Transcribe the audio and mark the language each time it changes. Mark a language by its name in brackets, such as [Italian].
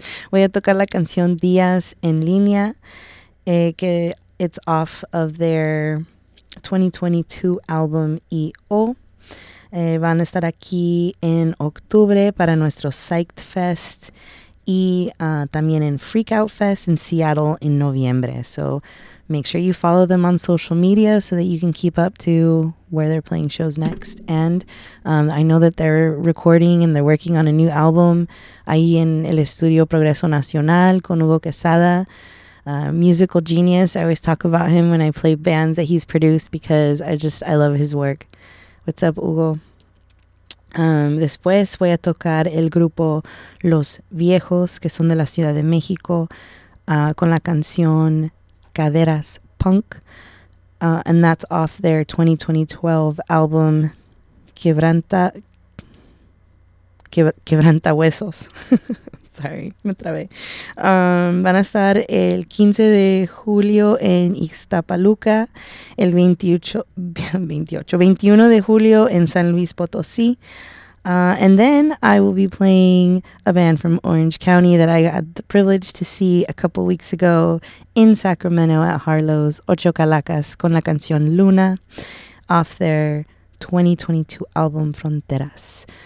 [Spanish] Voy a tocar la canción Días en Línea, que [English] it's off of their [Spanish] 2022 album EO. Van a estar aquí en octubre para nuestro Psyched Fest y también en Freakout Fest en Seattle en noviembre. [English] So make sure you follow them on social media so that you can keep up to where they're playing shows next. And I know that they're recording and they're working on a new album [Spanish] ahí en el estudio Progreso Nacional con Hugo Quesada, [English] musical genius. I always talk about him when I play bands that he's produced because I love his work. What's up, Hugo? [Spanish] Después voy a tocar el grupo Los Viejos, que son de la Ciudad de México, con la canción Caderas Punk, [English] and that's off their 2012 album Quebranta Huesos. Sorry, [Spanish] me trabé. Van a estar el 15 de julio en Ixtapaluca, el 21 de julio en San Luis Potosí. [English] And then I will be playing a band from Orange County that I had the privilege to see a couple weeks ago in Sacramento at Harlow's Ocho Calacas [Spanish] con la canción Luna [English] off their 2022 album Fronteras.